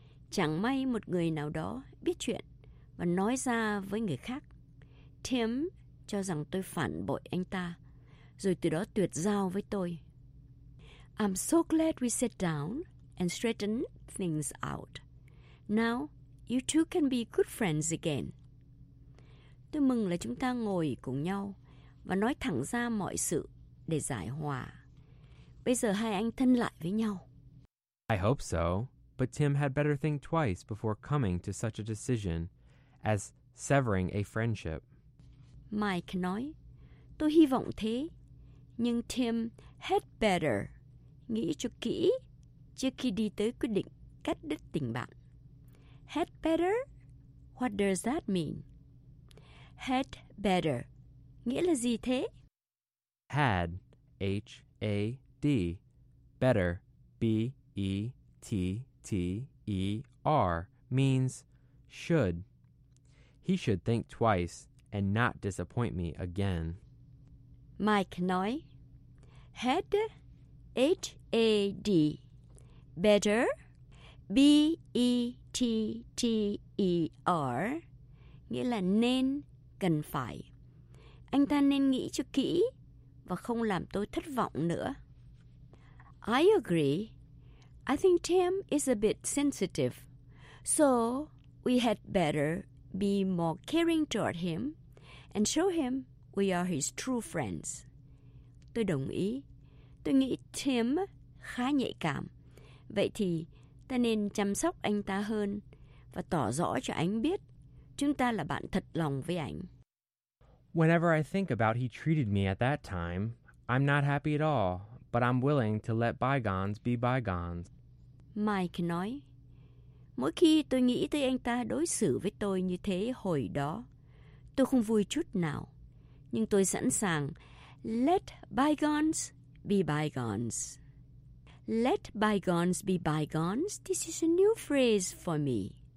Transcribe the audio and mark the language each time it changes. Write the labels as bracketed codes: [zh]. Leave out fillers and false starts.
[vi] Chẳng may một người nào đó biết chuyện và nói ra với người khác. Tim cho rằng tôi phản bội anh ta, rồi từ đó tuyệt giao với tôi. [en] I'm so glad we sat down and straightened things out. Now, you two can be good friends again. [vi] Tôi mừng là chúng ta ngồi cùng nhau và nói thẳng ra mọi sự để giải hòa. Bây giờ hai anh thân lại với nhau. [en] I hope so, but Tim had better think twice before coming to such a decision as severing a friendship. [vi] Mike nói, tôi hy vọng thế, nhưng Tim had better nghĩ cho kỹ trước khi đi tới quyết định cắt đứt tình bạn. Had better? [en] What does that mean? [vi] Had better nghĩa là gì thế? [en] Had, H-A-D, better, B. E T T E R means should. He should think twice and not disappoint me again. [vi] Mike nói, had, H A D, better, B E T T E R, nghĩa là nên, cần phải. Anh ta nên nghĩ cho kỹ và không làm tôi thất vọng nữa. [en] I agree. I think Tim is a bit sensitive, so we had better be more caring toward him and show him we are his true friends. [vi] Tôi đồng ý. Tôi nghĩ Tim khá nhạy cảm. Vậy thì ta nên chăm sóc anh ta hơn và tỏ rõ cho anh biết chúng ta là bạn thật lòng với anh. [en] Whenever I think about he treated me at that time, I'm not happy at all, but I'm willing to let bygones be bygones. [vi] Mike nói, mỗi khi tôi nghĩ tới anh ta đối xử với tôi như thế hồi đó, tôi không vui chút nào, nhưng tôi sẵn sàng let bygones be bygones. [en] Let bygones be bygones, this is a new phrase for me.